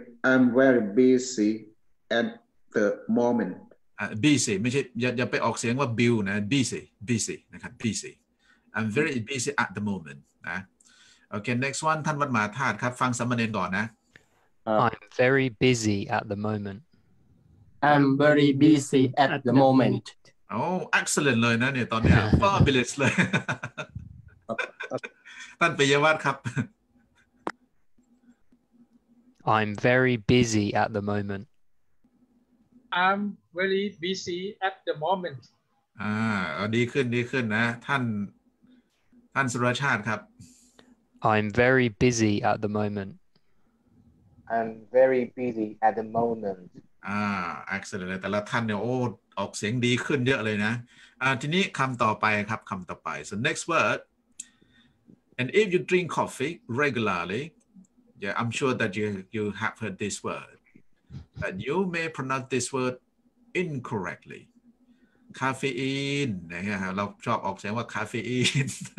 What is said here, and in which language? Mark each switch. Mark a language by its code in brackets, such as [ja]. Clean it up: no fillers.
[en] I'm very busy at the moment [th] busy ไม่ใช่อย่าไปออกเสียงว่า bill นะ busy นะครับ busy [en] I'm very busy at the moment [th] นะโอเค [en] next one [th] ท่านวัดมาธาตุครับฟังสามเณรก่อนนะ [en] I'm very busy at the moment I'm very busy at the moment [th] oh excellent เลยนะเนี่ยตอนนี้ fabulous เลยท่านปิยวัฒน์ครับ [en] I'm very busy at the moment I'm very busy at the moment [th] ดีขึ้นนะท่านสุรชาติครับ [en] I'm very busy at the moment I'm very busy at the moment excellent [th] แต่ละท่านเนี่ยโอ้ออกเสียงดีขึ้นเยอะเลยนะทีนี้คำต่อไปครับคำต่อไป [en] so next wordAnd if you drink coffee regularly, yeah, I'm sure that you have heard this word. But you may pronounce this word incorrectly. Caffeine. [th] Yeah, เราชอบออกเสียงว่า caffeine.